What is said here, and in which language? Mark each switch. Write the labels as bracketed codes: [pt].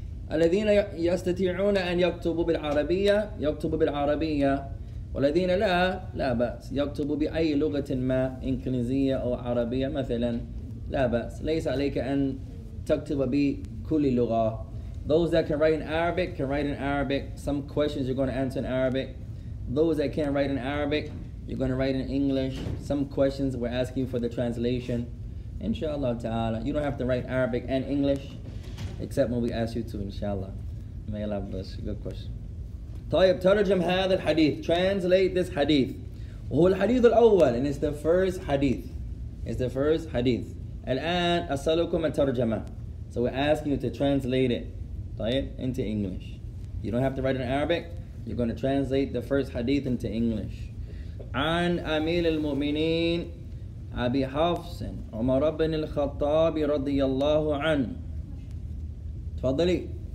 [ar] الذين يستطيعون أن يكتبوا بالعربية يكتبوا بالعربية والذين لا لا بأس يكتبوا بأي لغة ما إنكليزية أو عربية مثلا لا بأس ليس عليك أن تكتب بكل لغة. [en] Those that can write in Arabic can write in Arabic. Some questions you're going to answer in Arabic. Those that can't write in Arabic, you're going to write in English. Some questions we're asking for the translation. Inshallah ta'ala. You don't have to write Arabic and English except when we ask you to, inshallah. May Allah bless you. Good question. [ar] طيب, ترجم هذا الحديث. [en] Translate this hadith. [ar] هو الحديث الأول. [en] And it's the first hadith. It's the first hadith. [ar] الآن أسألكم الترجمة. [en] So we're asking you to translate it. [ar] طيب, [en] into English. You don't have to write it in Arabic. You're going to translate the first hadith into English. [ar] عن أمير المؤمنين أبي حفص عمر بن الخطاب رضي الله عنه. تفضلي.